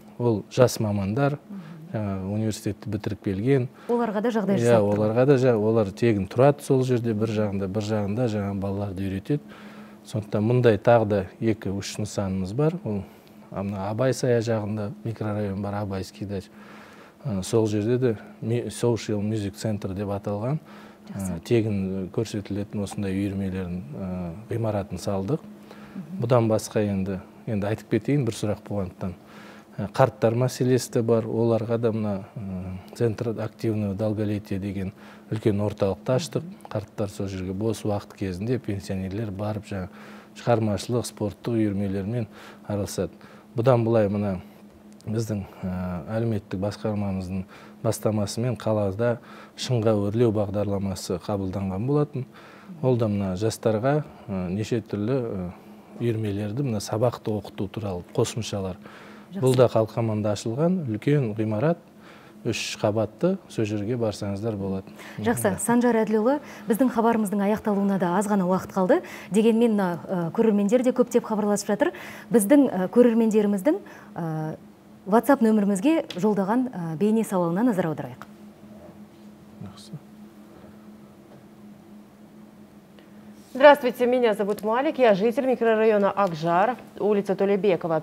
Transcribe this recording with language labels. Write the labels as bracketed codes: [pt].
[kk] Ол жас мамандар. Университетті бітіріп келген. Оларға да жағдай жасап тұр. Оларға да жағдай, олар тегін тұрады сол жерде бір жағында жаңа балаларды үйретеді. Сондықтан мұндай тағы да екі үш нысанымыз бар. Ол Абай сая жағында микрорайон бар, Абайский дач. Сол жерде де Social Music Center деп аталған тегін көрсетілетін осындай үйірмелердің ғимаратын салдық. Бұдан басқа енді айтып кетейін бір сұрақ болғандықтан. Қарттар мәселесі де бар, оларға да мына [ru] Центр активного долголетия [kk] деген үлкен орталықты аштық. Қарттар сол жерге бос уақыт кезінде пенсионерлер барып шығармашылық, спорттық үйірмелермен араласады. Бұдан былай мына біздің әлеуметтік басқармамыздың бастамасымен қалада шыңға өрлеу бағдарламасы қабылданған болатын. Ол да мына жастарға неше түрлі үйірмелерді мына сабақты оқыту туралы қосымшалар. Бұл да Қалқаманда ашылған үлкен ғимарат, үш қабатты, сол жерге барсаңыздар болады. Жақсы, Санжар Әділұлы, біздің хабарымыздың аяқталуына да аз ғана уақыт қалды. Дегенмен көрермендер де көптеп хабарласып жатыр. Біздің көрермендеріміздің WhatsApp нөмірімізге жолдаған бейне сауалына назар аударайық. Жақсы. [ru] Здравствуйте, меня зовут Малик, я житель микрорайона Акжар, улица Толебекова.